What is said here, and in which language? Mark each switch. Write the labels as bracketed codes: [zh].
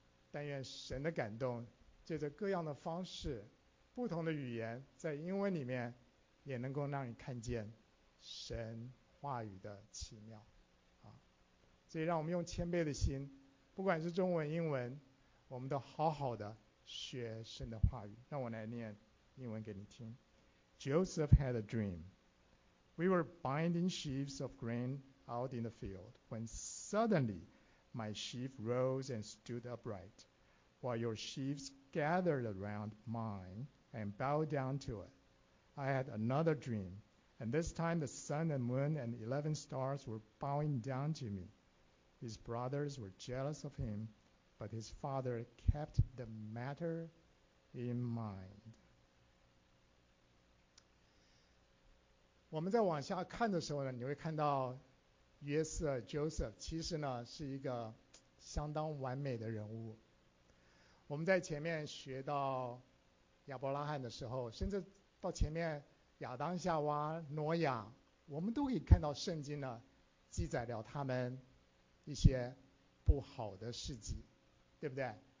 [zh] 但愿神的感动，借着各样的方式，不同的语言，在英文里面，也能够让你看见神话语的奇妙。啊，所以让我们用谦卑的心，不管是中文、英文，我们都好好的学神的话语。让我来念英文给你听。 [en] Joseph had a dream. We were binding sheaves of grain out in the field, when suddenly my sheaf rose and stood upright, while your sheaves gathered around mine and bowed down to it. I had another dream, and this time the sun and moon and 11 stars were bowing down to me. His brothers were jealous of him, but his father kept the matter in mind. [zh] 我们在往下看的时候呢，你会看到约瑟 Joseph 其实呢是一个相当完美的人物。我们在前面学到亚伯拉罕的时候，甚至到前面亚当夏娃挪亚，我们都可以看到圣经呢记载了他们一些不好的事迹，对不对？